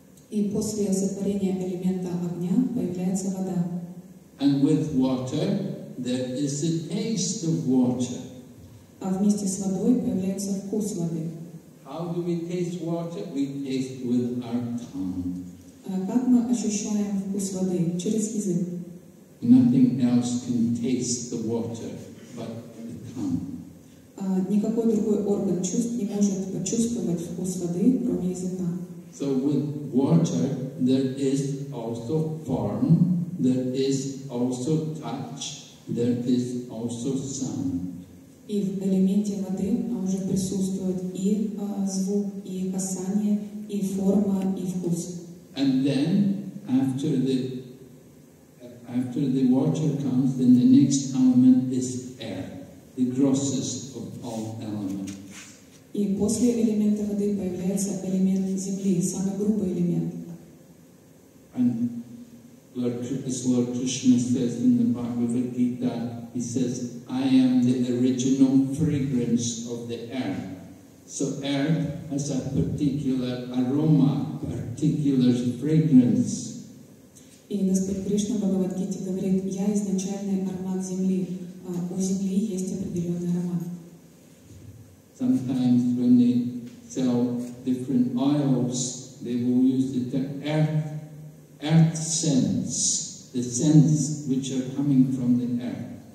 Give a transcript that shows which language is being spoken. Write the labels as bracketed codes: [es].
[ru] И после сотворения элемента огня появляется вода. [en] And with water, there is the taste of water. [ru] А вместе с водой появляется вкус воды. [en] How do we taste water? We taste with our tongue. [ru] Как мы ощущаем вкус воды? Через язык. [en] Nothing else can taste the water but the tongue. [ru] Никакой другой орган чувств не может почувствовать вкус воды, кроме языка. [en] So with water, there is also form, there is also touch, there is also sound. [ru] И в элементе воды уже присутствует и звук, и касание, и форма, и вкус. [en] And then, after the water comes, then the next element is air, the grossest of all elements. [ru] И после элемента воды появляется элемент земли, самый грубый элемент. [en] And Lord Krishna says in the Bhagavad Gita, he says, I am the original fragrance of the earth. So earth has a particular aroma, particular fragrance. [ru] И Господь Кришна в Бхагавад Гите говорит, я изначальный аромат земли. У земли есть определенный аромат. [en] Sometimes when they sell different oils, they will use the term earth scents, the scents which are coming from the earth.